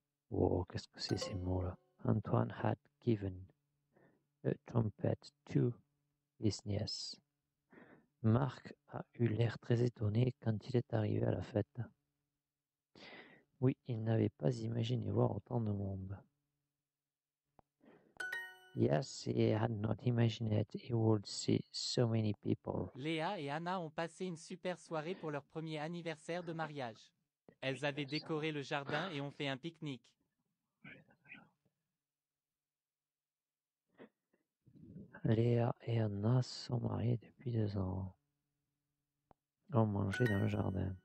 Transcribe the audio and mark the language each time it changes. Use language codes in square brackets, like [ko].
[fr] Wow, qu'est-ce que c'est ces mots-là? [en] Antoine had given a trumpet to his niece. [fr] Marc a eu l'air très étonné quand il est arrivé à la fête. Oui, il n'avait pas imaginé voir autant de monde. [en] Yes, he had not imagined he would see so many people. [fr] Léa et Anna ont passé une super soirée pour leur premier anniversaire de mariage. Elles avaient décoré le jardin et ont fait un pique-nique. Léa et Anna sont mariées depuis 2 ans. Ont mangé dans le jardin.